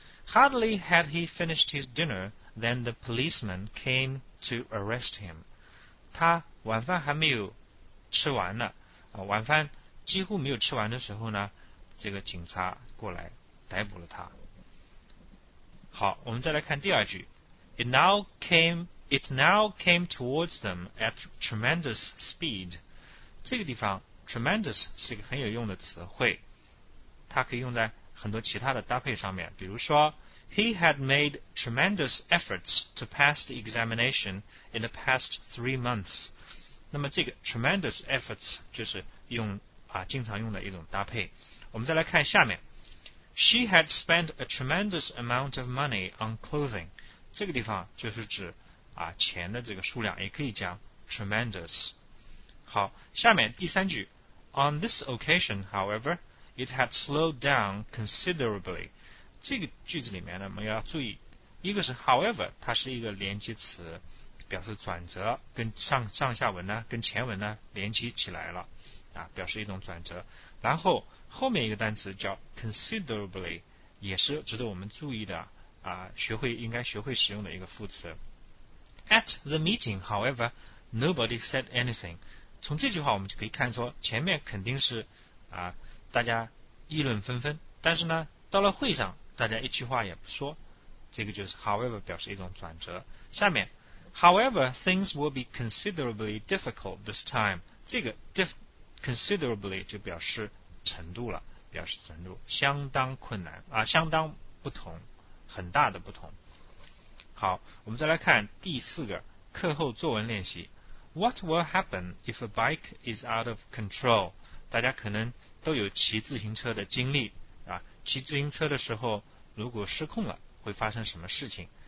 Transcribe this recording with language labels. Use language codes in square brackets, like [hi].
[en] Hardly had he finished his dinner than the policeman came to arrest him. [zh] 他晚饭还没有吃完呢，晚饭几乎没有吃完的时候呢，这个警察过来逮捕了他。好，我们再来看第二句。 [en] It now came towards them at tremendous speed. [zh] 这个地方 tremendous 是一个很有用的词汇，它可以用在很多其他的搭配上面。比如说 [en] ，He had made tremendous efforts to pass the examination in the past 3 months. [zh] 那么这个 tremendous efforts 就是用经常用的一种搭配。我们再来看下面。 [en] She had spent a tremendous amount of money on clothing. [zh] 这个地方就是指钱的这个数量，也可以讲 tremendous. 好，下面第三句。 [en] On this occasion, however, it had slowed down considerably. [zh] 这个句子里面呢，我们要注意，一个是 however， 它是一个连接词，表示转折，跟上下文呢，跟前文呢连接起来了，表示一种转折。然后后面一个单词叫 considerably， 也是值得我们注意的应该学会使用的一个副词。 [en] At the meeting, however, Nobody said anything. [zh] 从这句话我们就可以看出，前面肯定是啊，大家议论纷纷，但是呢，到了会上，大家一句话也不说。这个就是 however 表示一种转折。下面 [en] ，however things will be considerably difficult this time。 [zh] 这个 considerably 就表示程度了，表示程度，相当困难啊，相当不同，很大的不同。好，我们再来看第四个课后作文练习。 [en] What will happen if a bike is out of control? [zh] 大家可能都有骑自行车的经历啊，骑自行车的时候如果失控了，会发生什么事情？